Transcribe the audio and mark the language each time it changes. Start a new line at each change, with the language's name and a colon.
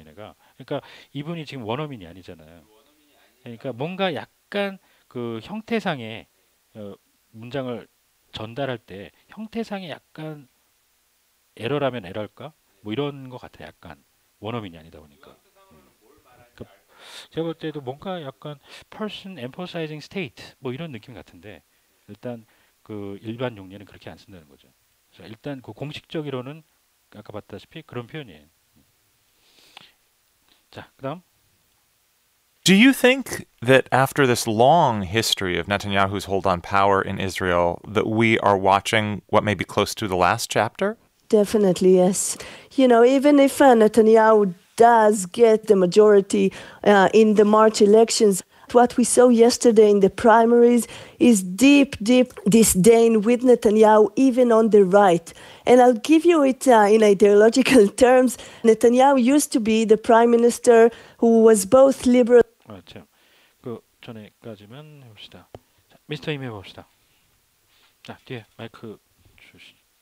Korean: 얘네가 그러니까 이분이 지금 원어민이 아니잖아요. 그러니까 뭔가 약간 그 형태상의 문장을 전달할 때 형태상의 약간 에러라면 에러일까? 뭐 이런 것 같아요. 약간 원어민이 아니다 보니까. 뭘 말하는지 제가 볼 때도 뭔가 약간
English: person emphasizing state
Korean: 뭐 이런 느낌 같은데 일단 그 일반 용례는 그렇게 안 쓴다는 거죠. 그래서 일단 그 공식적으로는 아까 봤다시피 그런 표현이에요. 자, 그다음.
English: Do you think that after this long history of Netanyahu's hold on power in Israel that we are watching what may be close to the last chapter? Definitely, yes. You know, even if Netanyahu does get the majority in the March elections, what we saw yesterday in the primaries is deep, deep disdain with Netanyahu, even on the right. And I'll give you it in ideological terms. Netanyahu used to be the prime minister who was both liberal.
Korean: 아, 참. 그 전에까지만 해봅시다. 자, 미스터 임 해봅시다. 자, 뒤에 마이크 주시.